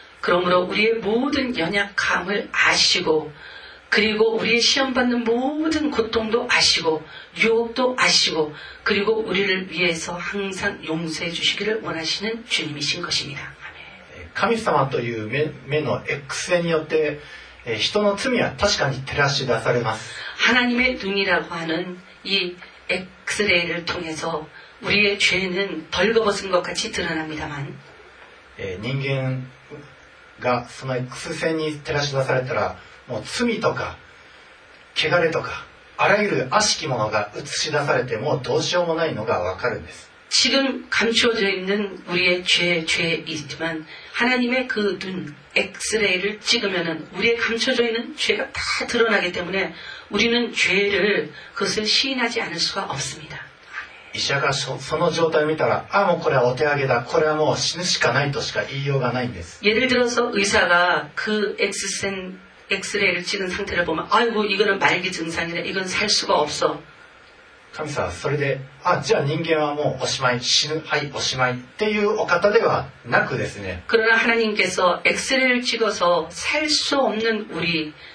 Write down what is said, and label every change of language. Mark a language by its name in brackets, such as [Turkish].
[Korean] 그러므로우리의모든연약함을아시고、그리고우리의시험받는모든고통도아시고、유혹도아시고、그리고우리를위해서항상용서해주시기를원하시는주님이신것입니다。 [Japanese] 神様という目の X 線によって人の罪は確かに照らし出されます。 [Korean] 하나님의눈이라고하는이 X-ray 를통해서우리의죄는벌거벗은것같이드러납니다만、 [Japanese] 人間がその X 線に照らし出されたら、もう罪とか汚れとかあらゆる悪しきものが映し出されて、もうどうしようもないのがわかるんです。 [Korean] 지금감추어져있는우리의죄죄이있지만하나님의그눈엑스레이를찍으면은우리의감춰져있는죄가다드러나기때문에우리는죄를그것을시인하지않을수가없습니다。 의사가 [Japanese] その状態を見たら、 [Korean] 아뭐 [Japanese] これはお手上げだ、これはもう死ぬしかないとしか言いようがないんです。 [Korean] 예를들어서의사가그엑스레이를찍은상태를보면아이고이거는말기증상이네이건살수가없어。 [Japanese] 神様はそれで、あ、じゃあ人間はもうおしまい、死ぬ、はい、おしまいっていうお方ではなくですね。 [Korean] 그러나하나님께서엑스레이를찍어서살수없는우리